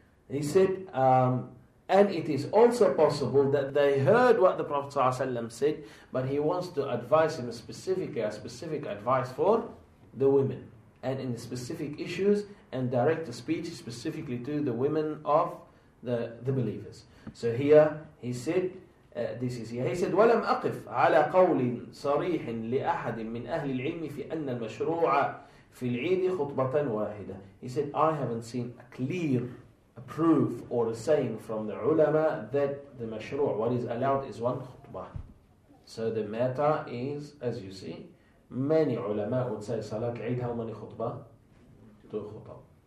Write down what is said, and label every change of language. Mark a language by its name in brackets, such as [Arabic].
[English] He said, and it is also possible that they heard what the Prophet ﷺ said, but he wants to advise him specifically, a specific advice for the women, and in specific issues, and direct the speech specifically to the women of the believers. So here he said, "This is here." He said, [Arabic] "ولم أقف على قول صريح لأحد من أهل العلم في أن المشروع في العيد خطبة واحدة." [English] He said, "I haven't seen a clear proof or a saying from the ulama that the mashru, what is allowed, is one khutbah." So the matter is, as you see, many ulama would say Salat Eid, how many khutbah? Two khutbah.